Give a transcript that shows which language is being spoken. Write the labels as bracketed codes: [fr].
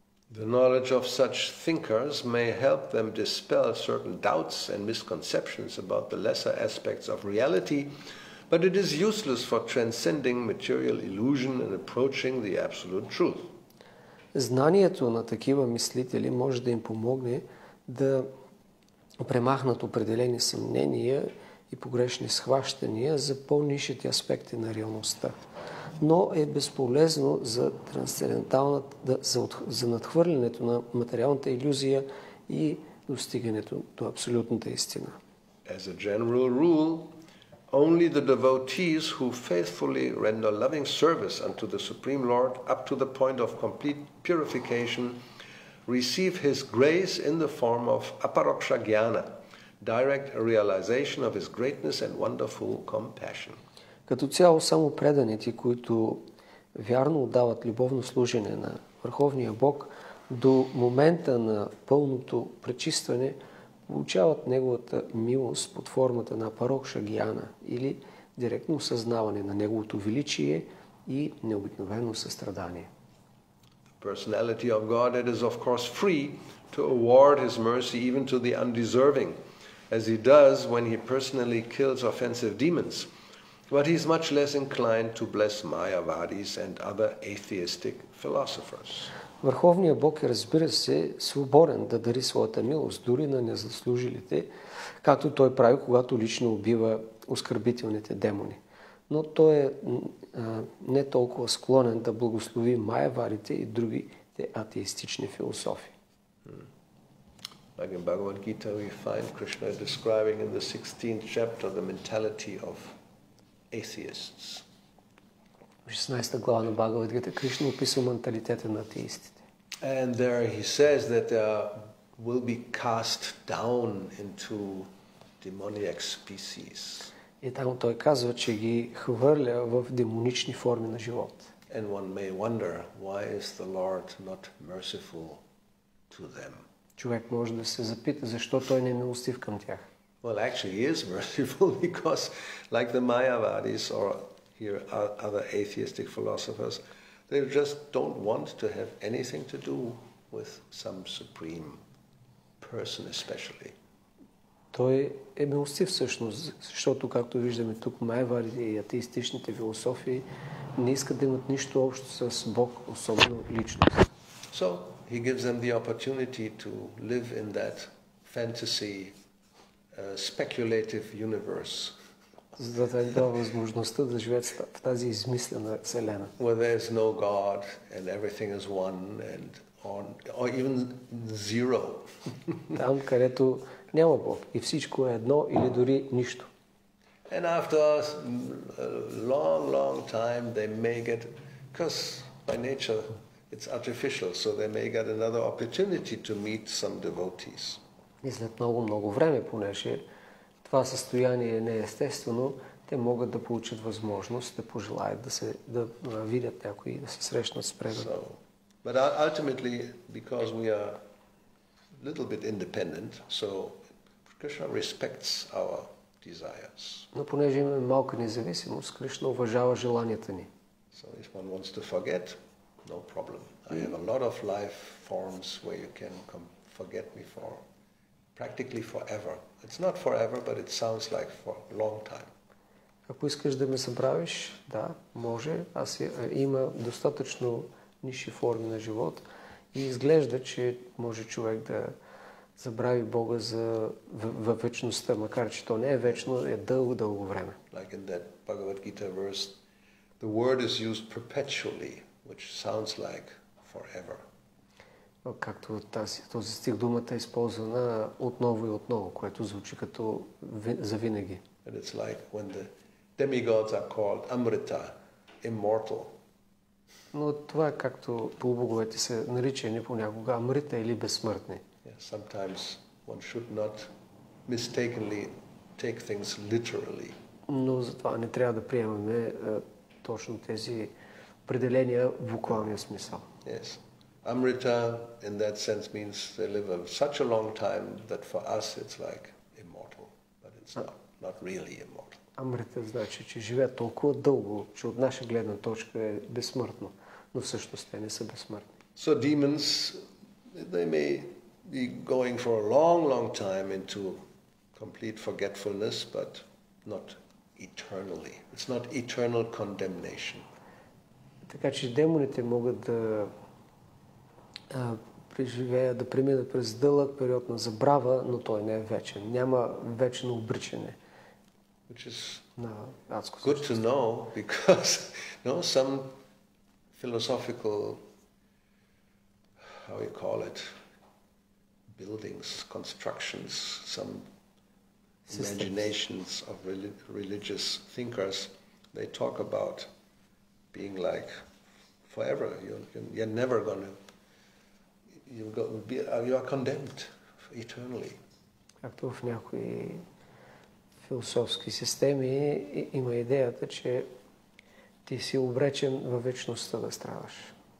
[en] The knowledge of such thinkers may help them dispel certain doubts and misconceptions about the lesser aspects of reality, but it is useless for transcending material illusion and approaching the absolute truth. [bg] Знанието на такива мислители може да им помогне да премахнат определени съмнения и погрешни схващания за по-нишите аспекти на реалността, но е безполезно за надхвърлянето на материалната илюзия и достигането до абсолютната истина. [en] As a general rule, only the devotees who faithfully render loving service unto the Supreme Lord up to the point of complete purification receive his grace in the form of aparoksha jnana, direct realization of his greatness and wonderful compassion. [bg] Като цяло само преданите, които вярно отдават любовно служение на Върховния Бог до момента на пълното пречистване, получават неговата милост под формата на парокша гиана или директно осъзнаване на неговото величие и необикновено състрадание. [en] The personality of God, it is of course free to award his mercy even to the undeserving, as he does when he personally kills offensive demons. But he is much less inclined to bless Mayavadis and other atheistic philosophers. [bg] Върховният Бог е, разбира се, свободен да дари своята милост дори на незаслужилите, както той прави, когато лично убива оскърбителните демони. Но той е не толкова склонен да благослови Mayavadите и другите атеистични философи. [en] Like in Bhagavad Gita we find Krishna describing in the 16th chapter the mentality of atheists. [bg] В 16-та глава на Бхагавад Гита Кришна описва менталитета на атеистите. [en] And there he says that they will be cast down into demoniac species. [bg] И там той казва, че ги хвърля в демонични форми на живот. [en] And one may wonder why is the Lord not merciful to them. [bg] Човек може да се запита защо той не е милостив към тях. [en] Well, actually, he is merciful because, like the Mayavadis or here other atheistic philosophers, they just don't want to have anything to do with some supreme person, especially. [bg] Той е милостив всъщност, защото, както виждаме тук, Mayavadите и атеистичните философии не искат да имат нищо общо с Бог, особено личност. [en] So he gives them the opportunity to live in that fantasy. Speculative universe. [bg] За да им дава възможността да живеят в тази измислена вселена. [en] Where there is no God and everything is one and or even zero. [bg] Там, където няма Бог и всичко е едно или дори нищо. [en] And after a long, long time, they may get, because by nature it's artificial, so they may get another opportunity to meet some devotees. И след много, много време, понеже това състояние не е естествено, те могат да получат възможност да пожелаят да се да видят някой и да се срещнат с преданите. So, but ultimately, because we are a little bit independent, so Krishna respects our desires. [bg] Но понеже имаме малка независимост, Кришна уважава желанията ни. [en] So if one wants to forget, no problem. I have a lot of life forms where you can come forget me for practically forever. It's not forever, but it sounds like for a long time. [bg] Ако искаш да ме забравиш, да, може. Аз има достатъчно ниши форми на живот и изглежда, че може човек да забрави Бога за във вечността, макар че то не е вечно, е дълго, дълго време. [en] Like in that Bhagavad Gita verse, the word is used perpetually, which sounds like forever. [bg] Както този стих, думата е използвана отново и отново, което звучи като завинаги. [en] And it's like when the demigods are called Amrita, immortal. [bg] Но това е както полубоговете са наричани понякога Амрита или безсмъртни. [en] Sometimes one should not mistakenly take things literally. [bg] Но затова не трябва да приемаме точно тези определения в буквалния смисъл. [en] Yes. Amrita in that sense means they live of such a long time that for us it's like immortal, but it's not really immortal. [bg] Амрита значи, че живеят толкова дълго, че от наша гледна точка е безсмъртно, но всъщност те не са безсмъртни. [en] So demons, they may be going for a long, long time into complete forgetfulness, but not eternally. It's not eternal condemnation. [bg] Така че демоните могат да преживеят, да преминат през дълъг период на забрава, но той не е вечен. Няма вечно обричане. [en] Which is good to know, because some philosophical, how you call it, buildings, constructions, some imaginations of religious thinkers, they talk about being like forever. You're never going to, you are condemned eternally. [bg] Както в някои философски системи има идеята, че ти си обречен във вечността да страдаш.